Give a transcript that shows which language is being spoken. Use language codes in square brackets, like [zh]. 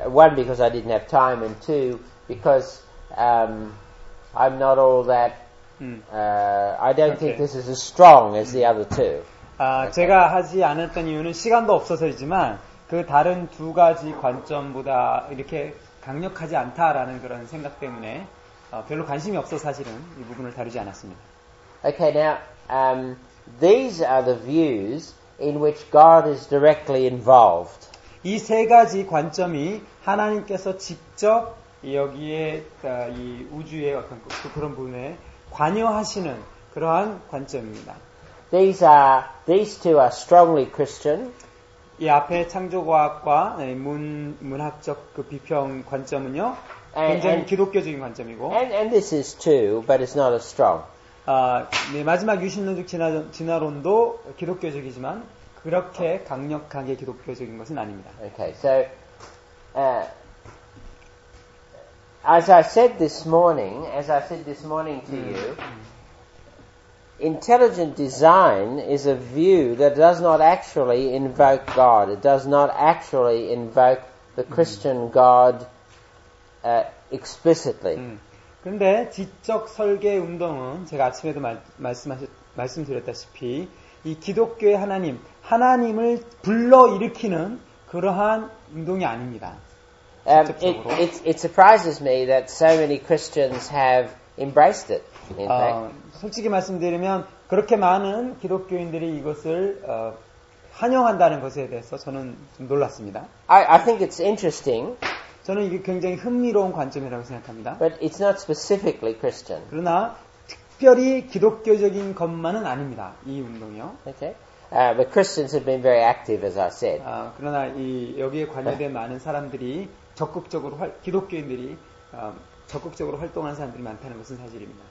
[en] One, because I didn't have time, and two, because I'm not all that. I don't okay. think this is as strong as the other two. [ko] 제가 하지 않았던 이유는 시간도 없어서이지만 그 다른 두 가지 관점보다 이렇게 강력하지 않다라는 그런 생각 때문에 별로 관심이 없어 사실은 이 부분을 다루지 않았습니다. [en] Okay, now these are the views in which God is directly involved. [ko] 이 세 가지 관점이 하나님께서 직접 여기에 이 우주의 어떤 그런 부분에 관여하시는 그러한 관점입니다. [en] These two are strongly Christian. [ko] 이 앞에 창조과학과 문학적 그 비평 관점은요, 굉장히 기독교적인 관점이고. [en] And this is too, but it's not as strong. [ko] 네, 마지막 유신론적 진화론도 기독교적이지만 그렇게 강력하게 기독교적인 것은 아닙니다. [en] Okay, so as I said this morning, as I said this morning to you, intelligent design is a view that does not actually invoke God. It does not actually invoke the Christian God explicitly. [ko] 근데 지적 설계 운동은 제가 아침에도 말씀드렸다시피 이 기독교의 하나님을 불러 일으키는 그러한 운동이 아닙니다. [en] It surprises me that so many Christians have embraced it. In fact, [ko] 솔직히 말씀드리면 그렇게 많은 기독교인들이 이것을 환영한다는 것에 대해서 저는 좀 놀랐습니다. [en] I think it's interesting. [ko] 저는 이게 굉장히 흥미로운 관점이라고 생각합니다. [en] But it's not specifically Christian. [ko] 그러나 특별히 기독교적인 것만은 아닙니다. 이 운동이요. [en] Okay. But Christians have been very active, as I said. [ko] 그러나 이 여기에 관여된 많은 사람들이 적극적으로 기독교인들이 적극적으로 활동하는 사람들이 많다는 것은 사실입니다.